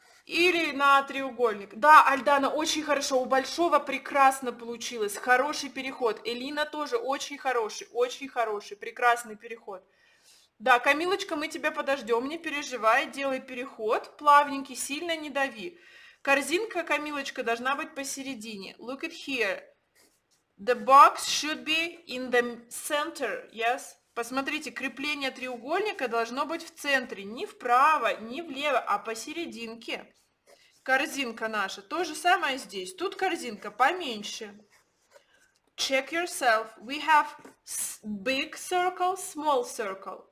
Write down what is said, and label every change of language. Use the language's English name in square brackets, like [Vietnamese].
[Russian] Или на треугольник. Да, Альдана, очень хорошо. У большого прекрасно получилось. Хороший переход. Элина тоже очень хороший. Очень хороший. Прекрасный переход. Да, Камилочка, мы тебя подождем, не переживай, делай переход, плавненький, сильно не дави. Корзинка, Камилочка, должна быть посередине. [English] Look at here. The box should be in the center, yes? [Russian] Посмотрите, крепление треугольника должно быть в центре, не вправо, не влево, а посерединке. Корзинка наша, то же самое здесь, тут корзинка поменьше. [English] Check yourself. We have big circle, small circle.